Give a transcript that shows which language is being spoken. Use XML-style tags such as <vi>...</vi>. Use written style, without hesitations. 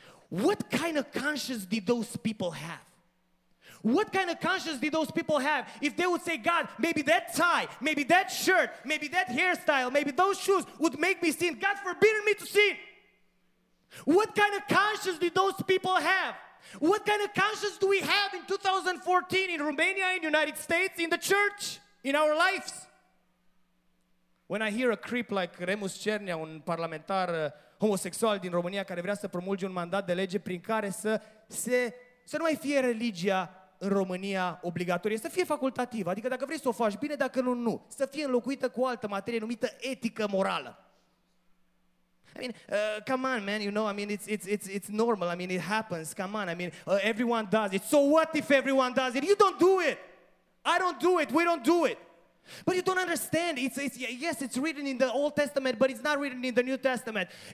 <en>What kind of conscience did those people have? What kind of conscience did those people have if they would say, God, maybe that tie, maybe that shirt, maybe that hairstyle, maybe those shoes would make me sin. God forbid me to sin. What kind of conscience did those people have? What kind of conscience do we have in 2014 in Romania, in the United States, in the church, in our lives? When I hear a creep like Remus Cernea,</en> <ro>un parlamentar homosexual din România care vrea să promulge un mandat de lege prin care să nu mai fie religia în România obligatorie, să fie facultativă, adică dacă vrei să o faci bine, dacă nu, nu, să fie înlocuită cu o altă materie numită etică morală.</ro> <en>I mean, come on, man, you know, I mean, it's normal, I mean, it happens, come on, I mean, everyone does it. So what if everyone does it? You don't do it. I don't do it. We don't do it. But you don't understand. Yes, it's written in the Old Testament, but it's not written in the New Testament.</en>